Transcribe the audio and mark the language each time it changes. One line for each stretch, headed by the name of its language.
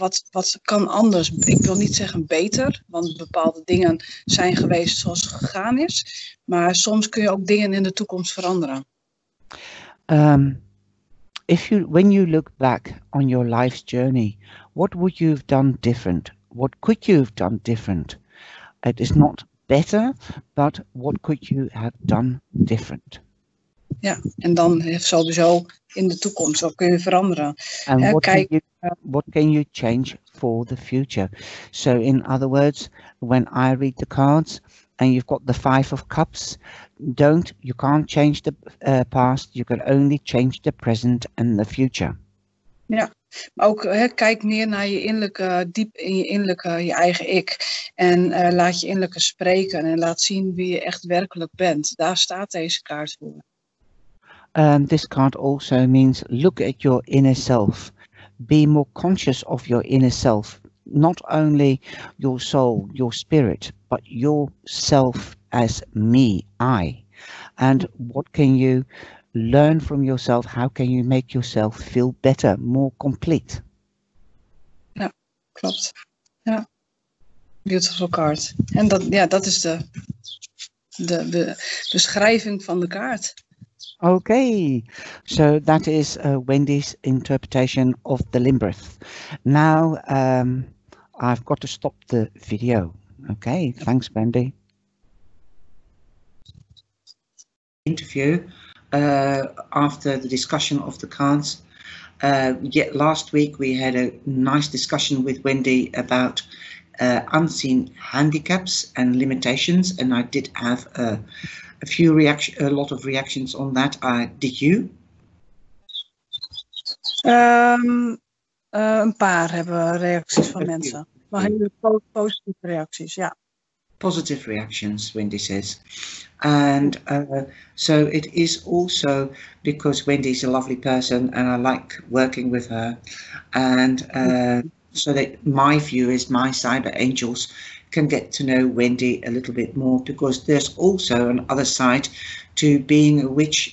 Dutch: Wat kan anders? Ik wil niet zeggen beter, want bepaalde dingen zijn geweest zoals het gegaan is. Maar soms kun je ook dingen in de toekomst veranderen.
English: When you look back on your life's journey, what would you have done different? What could you have done different? It is not better, but what could you have done different?
Dutch: Ja, en dan sowieso in de toekomst, wat kun je veranderen?
English: And what can you change for the future? So in other words, when I read the cards and you've got the Five of Cups, you can't change the past, you can only change the present and the future.
Dutch: Ja, maar ook, hè, kijk meer naar je innerlijke, diep in je innerlijke, je eigen ik. En laat je innerlijke spreken en laat zien wie je echt werkelijk bent. Daar staat deze kaart voor.
English: This card also means look at your inner self. Be more conscious of your inner self. Not only your soul, your spirit, but yourself as me, I. And what can you learn from yourself? How can you make yourself feel better, more complete?
Dutch: Ja, klopt. Ja.
English: Beautiful card.
Dutch: En dat, ja, dat is de beschrijving van de kaart.
English: Okay, so that is Wendy's interpretation of the limbrith. Now I've got to stop the video. Okay, thanks, Wendy. Interview after the discussion of the cards. Last week we had a nice discussion with Wendy about unseen handicaps and limitations, and I did have a lot of reactions on that. Did you?
Dutch: Een paar hebben reacties van mensen. Maar hij heeft positieve reacties, ja.
English: Positive reactions, Wendy says. And so it is also because Wendy's a lovely person and I like working with her. And so that my viewers, my cyber angels, can get to know Wendy a little bit more, because there's also an other side to being a witch.